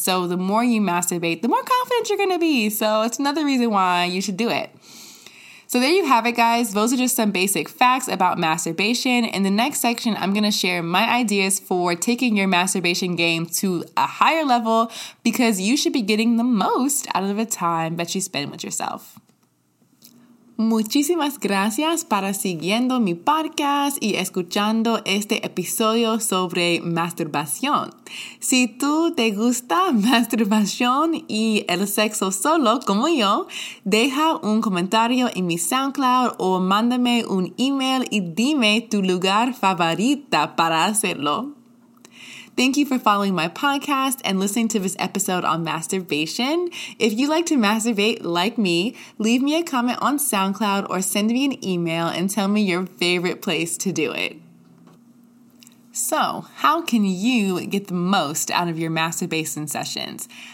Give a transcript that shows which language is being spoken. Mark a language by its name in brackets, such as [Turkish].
[English] So the more you masturbate, the more confident you're going to be. So it's another reason why you should do it. So there you have it, guys. Those are just some basic facts about masturbation. In the next section, I'm going to share my ideas for taking your masturbation game to a higher level because you should be getting the most out of the time that you spend with yourself. [Spanish] Muchísimas gracias para siguiendo mi podcast y escuchando este episodio sobre masturbación. Si tú te gusta masturbación y el sexo solo como yo, deja un comentario en mi SoundCloud o mándame un email y dime tu lugar favorita para hacerlo. [English] Thank you for following my podcast and listening to this episode on masturbation. If you like to masturbate like me, leave me a comment on SoundCloud or send me an email and tell me your favorite place to do it. So, how can you get the most out of your masturbation sessions?